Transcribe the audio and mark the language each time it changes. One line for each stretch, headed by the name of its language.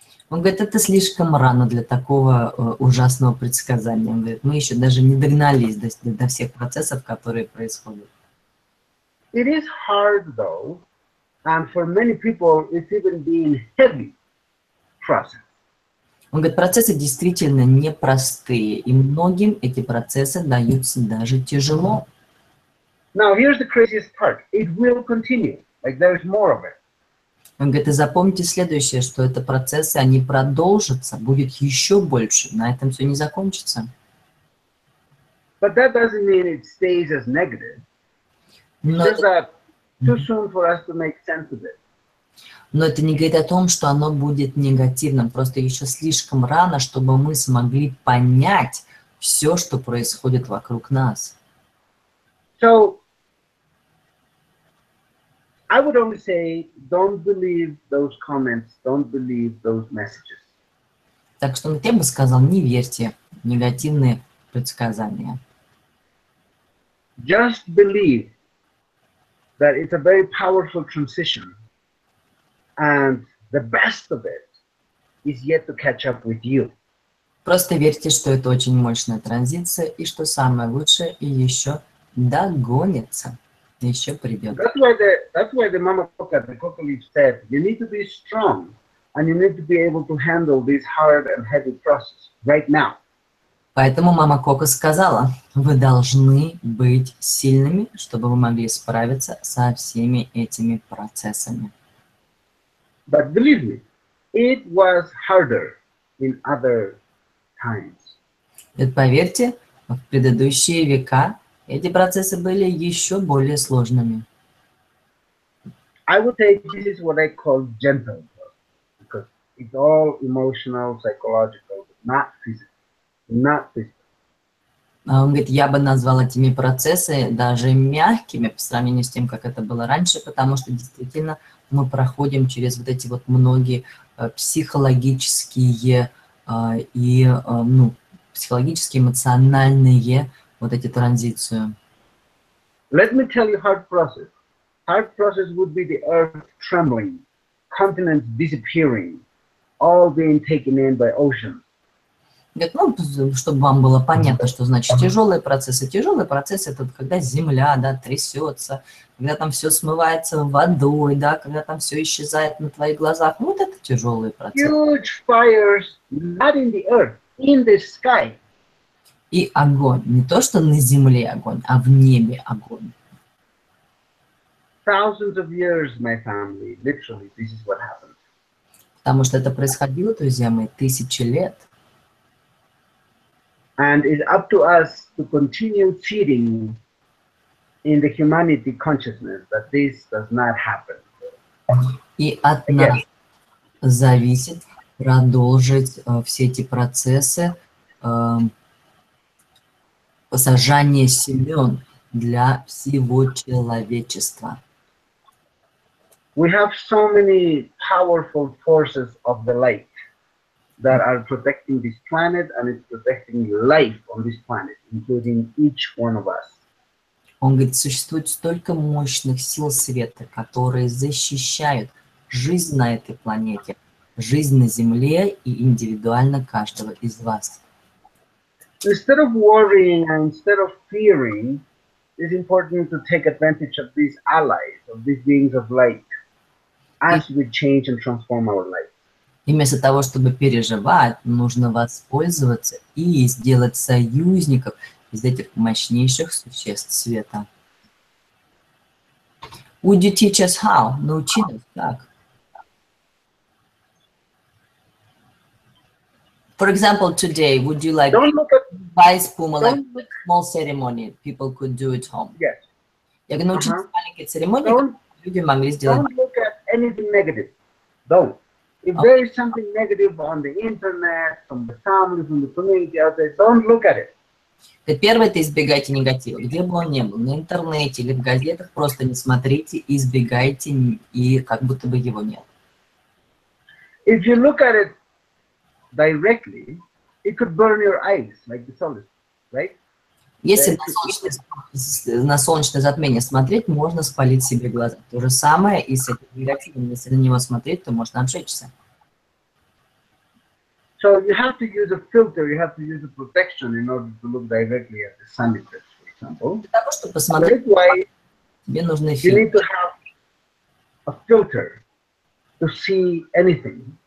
Russian: Он говорит, это слишком рано для такого ужасного предсказания. Он говорит, мы еще даже не догнались до всех процессов, которые происходят.
English: It is hard, though, and for many people it's even been heavy process.
Russian: Он говорит, процессы действительно непростые, и многим эти процессы даются даже тяжело.
English: Now here's the craziest part. It will continue. Like there is more of it.
Russian: Он говорит, и запомните следующее, что это процессы, они продолжатся, будет еще больше, на этом все не закончится.
English: But that doesn't mean it stays as negative.
Russian: Но это...
English: too soon for us to make sense of it.
Russian: Но это не говорит о том, что оно будет негативным, просто еще слишком рано, чтобы мы смогли понять все, что происходит вокруг нас.
English: So, I would only say, don't believe those comments, don't believe those messages.
Russian: Так что я бы сказал, не верьте негативные предсказания.
English: Just believe that it's a very powerful transition, and the best of it is yet to catch up with you.
Russian: Просто верьте, что это очень мощная транзиция, и что самое лучшее и еще догонится. Еще придет.
English: That's why the mama coca, the coca leaf said, you need to be strong and you need to be able to handle this hard and heavy process right now.
Russian: Поэтому мама кока сказала, вы должны быть сильными, чтобы вы могли справиться со всеми этими процессами.
English: But believe me, it was harder in other times.
Russian: Вот поверьте, в предыдущие века эти процессы были еще более сложными.
English: I would say this is what I call gentle, because it's all emotional, psychological, not physical, not physical.
Russian: Он говорит, я бы назвал эти процессы даже мягкими по сравнению с тем, как это было раньше, потому что действительно мы проходим через вот эти вот многие психологические, эмоциональные вот эти транзиции.
English: Let me tell you hard process. Hard process would be the earth trembling, continents disappearing, all being taken in by oceans.
Russian: Нет, ну, чтобы вам было понятно, что значит тяжелые процессы. Тяжелые процессы — это когда земля, да, трясется, когда там все смывается водой, да, когда там все исчезает на твоих глазах. Вот это тяжелые процессы.
English: Huge fires, not in the earth, in the sky.
Russian: И огонь. Не то, что на земле огонь, а в небе огонь.
English: Thousands of years, my family. Literally, this is what happened.
Russian: Потому что это происходило, друзья мои, тысячи лет.
English: And it's up to us to continue feeding in the humanity consciousness that this does not happen.
Russian: И от нас зависит продолжить все эти процессы посажание семян для всего человечества.
English: We have so many powerful forces of the light that are protecting this planet and it's protecting life on this planet, including each one of us.
Russian: Он говорит, существует столько мощных сил света, которые защищают жизнь на этой планете, жизнь на Земле и индивидуально каждого из вас.
English: Instead of worrying and instead of fearing, it's important to take advantage of these allies, of these beings of light, as we change and transform our life.
Russian: И вместо того, чтобы переживать, нужно воспользоваться и сделать союзников из этих мощнейших существ света.
English: Would you teach us how?
Russian: Научи нас как?
English: For example, today, would you like Vice Puma, like a small ceremony people could do at home? Yes.
Russian: Я научу маленькой церемонии, люди могли сделать.
English: Don't look at anything negative. Don't. If there is something negative on the internet, from the family, from the community out there, don't look at it.
Russian: Первое, это избегайте негатива. Где бы он ни был, на интернете или в газетах, просто не смотрите, избегайте, и как будто бы его нет.
English: If you look at it directly, it could burn your eyes, like the solar, right?
Russian: Если на солнечное затмение смотреть, можно спалить себе глаза. То же самое и с этим графитом. Если на него смотреть, то можно обжечься.
English: So you have to use a filter, you have to use a protection in order to look directly at the sun effect, for example.
Russian: Для того, чтобы посмотреть, тебе нужны фильтры.
English: You need to have a filter to see anything.